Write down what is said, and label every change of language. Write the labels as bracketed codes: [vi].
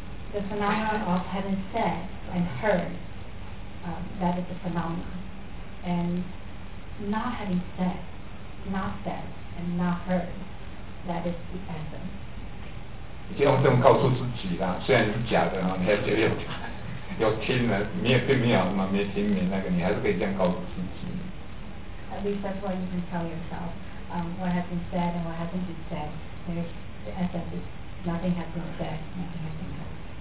[en] The phenomenon of having said and heard, that is a phenomenon. And not having said, not said, and not heard, that is the essence. [zh] 你就用这么告诉自己啦，虽然是假的啊，你还觉得有听了，没有并没有什么没听没那个，你还是可以这样告诉自己。 [en] At least that's what you can tell yourself. What has been said and what hasn't been said, there's the essence. Nothing has been said, nothing has been heard.